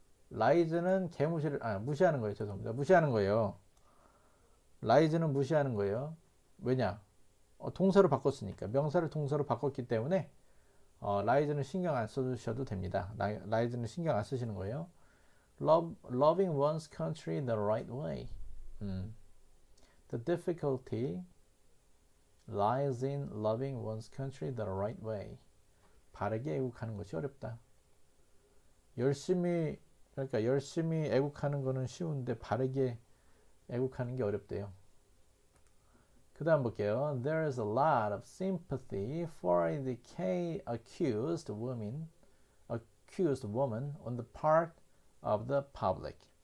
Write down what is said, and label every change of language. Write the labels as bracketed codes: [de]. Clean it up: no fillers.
[ko] 라이즈는 개무시를 무시하는 거예요. 죄송합니다. 무시하는 거예요. 라이즈는 무시하는 거예요. 왜냐? 동사로 바꿨으니까 명사를 동사로 바꿨기 때문에 라이즈는 신경 안 쓰셔도 됩니다. 라이즈는 신경 안 쓰시는 거예요. [en] Loving one's country the right way. The difficulty lies in loving one's country the right way. [ko] 바르게 애국하는 것이 어렵다. 열심히, 그러니까 열심히 애국하는 거는 쉬운데 바르게 애국하는 게 어렵대요. 그 다음 볼게요. [en] There is a lot of sympathy for the K-accused woman on the part of the public.